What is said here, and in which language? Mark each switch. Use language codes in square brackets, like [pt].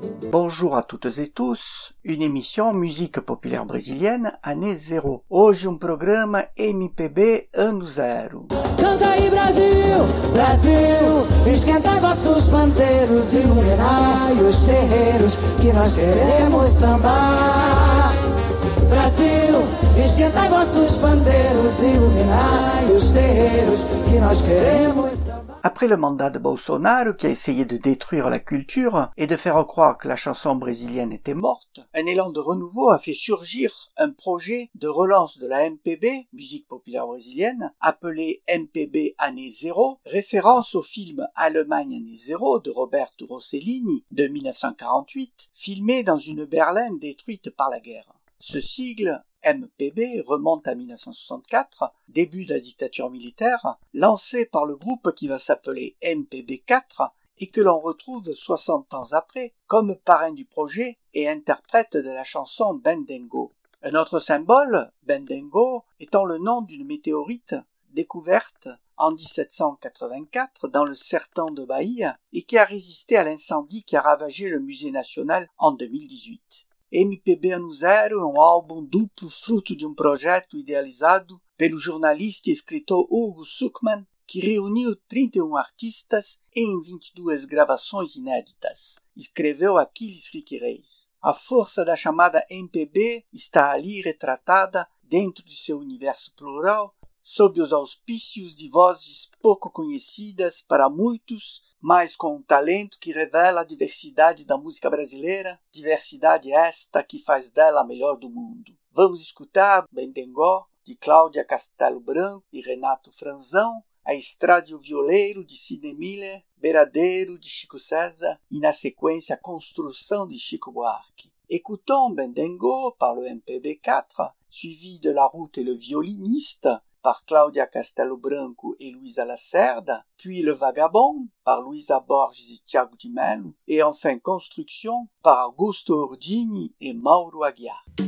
[fr] Bonjour à toutes et tous, une émission musique populaire brésilienne année zéro. [pt] Hoje programa MPB ano zero. Canta aí Brasil, Brasil, esquenta vossos panteiros, iluminai os terreiros que nós queremos sambar. Brasil, esquenta vossos panteiros, iluminai os terreiros que nós queremos. [fr] Après le mandat de Bolsonaro, qui a essayé de détruire la culture et de faire croire que la chanson brésilienne était morte, un élan de renouveau a fait surgir un projet de relance de la MPB, musique populaire brésilienne, appelé MPB Année Zéro, référence au film Allemagne Année Zéro de Roberto Rossellini de 1948, filmé dans une berline détruite par la guerre. Ce sigle, MPB, remonte à 1964, début de la dictature militaire, lancé par le groupe qui va s'appeler MPB4 et que l'on retrouve 60 ans après comme parrain du projet et interprète de la chanson Bendengo. Un autre symbole, Bendengo, étant le nom d'une météorite découverte en 1784 dans le Sertão de Bahia et qui a résisté à l'incendie qui a ravagé le musée national en 2018. [pt] MPB Ano Zero é um álbum duplo fruto de um projeto idealizado pelo jornalista e escritor Hugo Sukman, que reuniu 31 artistas em 22 gravações inéditas, escreveu Aquiles Riquireis. A força da chamada MPB está ali retratada dentro de seu universo plural, sob os auspícios de vozes pouco conhecidas para muitos, mas com um talento que revela a diversidade da música brasileira, diversidade esta que faz dela a melhor do mundo. Vamos escutar Bendengo, de Cláudia Castelo Branco e Renato Franzão, A Estrada e o Violeiro, de Sidney Miller, Beiradeiro, de Chico César, e na sequência A Construção, de Chico Buarque. [fr] Écoutons Bendengo, par le MPB 4, suivi de La Route et le Violiniste, par Cláudia Castelo Branco e Luísa Lacerda, puis Le Vagabond, par Luísa Borges e Thiago de Mello, e enfin Construction, par Augusto Ordini e Mauro Aguiar.